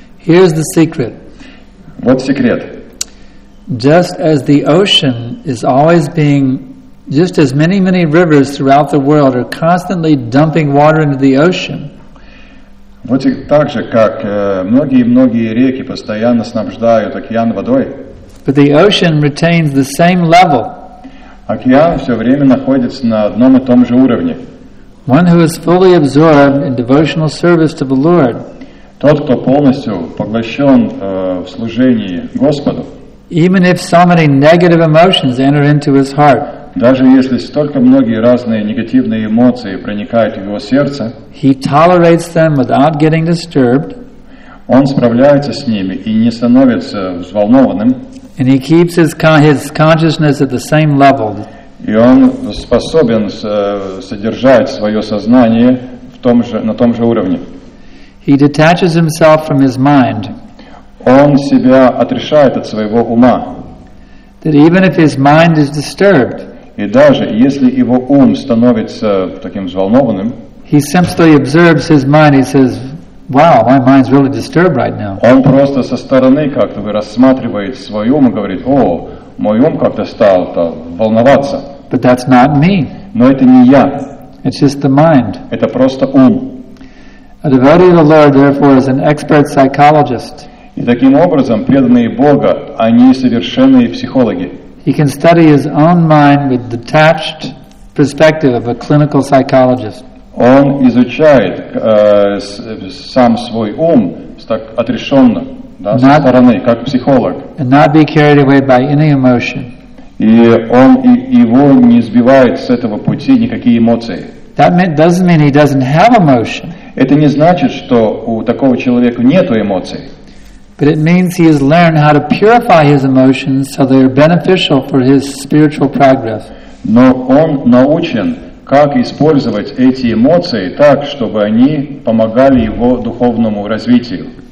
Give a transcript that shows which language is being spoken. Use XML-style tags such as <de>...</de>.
<en>Here's the secret. What secret? Just as the ocean is always being, just as many, many rivers throughout the world are constantly dumping water into the ocean.</en> <ru>Вот так же, как многие-многие реки постоянно снабждают океан водой.</ru> <en>But the ocean retains the same level.</en> <ru>Океан все время находится на одном и том же уровне.</ru> <en>One who is fully absorbed in devotional service to the Lord.</en> <ru>Тот, кто полностью поглощен в служении Господу.</ru> <en>Even if so many negative emotions enter into his heart.</en> <ru>Даже если столько многие разные негативные эмоции проникают в его сердце,</ru> <en>he tolerates them without getting disturbed,</en> <ru>он справляется с ними и не становится взволнованным,</ru> <en>and he keeps his consciousness at the same level.</en> <ru>И он способен содержать свое сознание в том же, на том же уровне.</ru> <en>He detaches himself from his mind.</en> <ru>Он себя отрешает от своего ума.</ru> <en>That even if his mind is disturbed,</en> <ru>и даже если его ум становится таким взволнованным,</ru> <en>he simply observes his mind. He says, "Wow, my mind's really disturbed right now."</en> <ru>Он просто со стороны как-то рассматривает свой ум и говорит: "О, мой ум как-то стал волноваться."</ru> <en>But that's not me.</en> <ru>Но это не я.</ru> <en>It's just the mind.</en> <ru>Это просто ум.</ru> <en>A devotee of the Lord, therefore, is an expert psychologist.</en> <ru>И таким образом преданные Бога, они совершенные психологи.</ru> <en>He can study his own mind with detached perspective of a clinical psychologist.</en> <ru>Он изучает сам свой ум так отрешенно, да, со стороны, как психолог.</ru> <en>And not be carried away by any emotion.</en> <ru>И он его не сбивает с этого пути никакие эмоции.</ru> <en>That doesn't mean he doesn't have emotion.</en> <ru>Это не значит, что у такого человека нету эмоций.</ru> <en>But it means he has learned how to purify his emotions so they are beneficial for his spiritual progress.</en> <ru>Но он научен, как использовать эти эмоции так, чтобы они помогали его духовному развитию.</ru>